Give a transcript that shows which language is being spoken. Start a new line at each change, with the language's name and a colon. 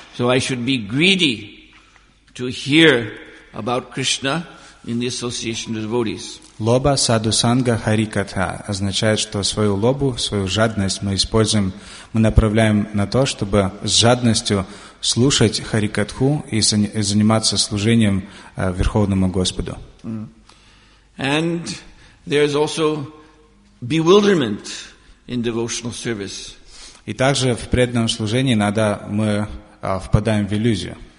English: So I should be greedy to hear about Krishna in the association of devotees.
Russian: Лоба саду санга хари ката означает, что свою лобу, свою жадность мы используем, мы направляем на то, чтобы с жадностью слушать харикатху и заниматься служением Верховному Господу.
English: And there is also bewilderment in devotional service.
Russian: И также в преданном служении иногда мы впадаем в иллюзию.